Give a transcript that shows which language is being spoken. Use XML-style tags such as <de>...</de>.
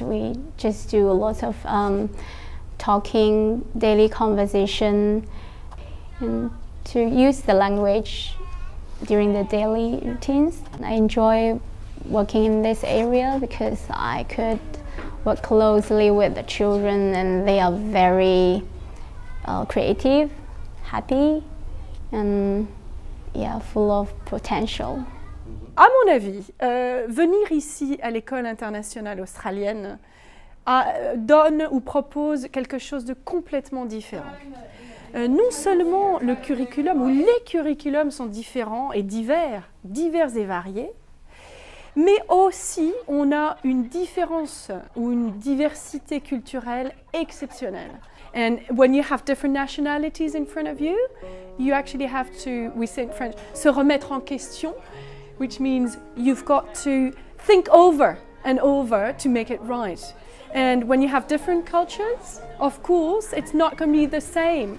<en>We just do a lot of talking, daily conversation, and to use the language during the daily routines. I enjoy working in this area because I could work closely with the children and they are very creative, happy, and yeah, full of potential.</en> <fr>À mon avis, venir ici à l'école internationale australienne donne ou propose quelque chose de complètement différent. Non seulement le curriculum ou les curriculums sont différents et divers et variés, mais aussi on a une différence ou une diversité culturelle exceptionnelle.</fr> <en>And when you have different nationalities in front of you, you actually have to, we say in French,</en> <fr>se remettre en question.</fr> <en>Which means you've got to think over and over to make it right. And when you have different cultures, of course, it's not going to be the same.</en>